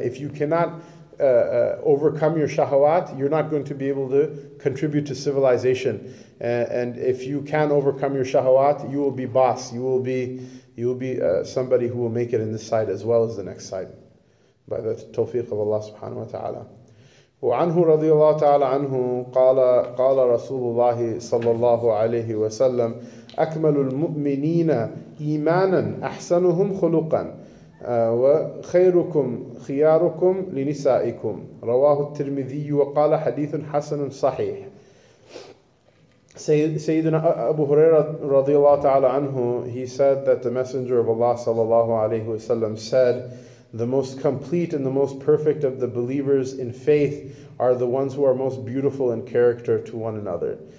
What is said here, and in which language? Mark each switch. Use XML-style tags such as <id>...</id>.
<en>If you cannot overcome your shahawat, you're not going to be able to contribute to civilization. And if you can overcome your shahawat, you will be boss. You will be somebody who will make it in this side as well as the next side, by the tawfiq of Allah subhanahu wa ta'ala.</en> <ar>وعنه رضي الله تعالى عنه قال رسول الله صلى الله عليه وسلم أكمل المؤمنين إيمانا أحسنهم خلقا وخيركم خياركم لنسائكم رواه الترمذي وقال حديث حسن صحيح.</ar> <en>Sayyidina Abu Huraira radiallahu ta'ala anhu, he said that the Messenger of Allah sallallahu alayhi wa sallam said, the most complete and the most perfect of the believers in faith are the ones who are most beautiful in character to one another.</en>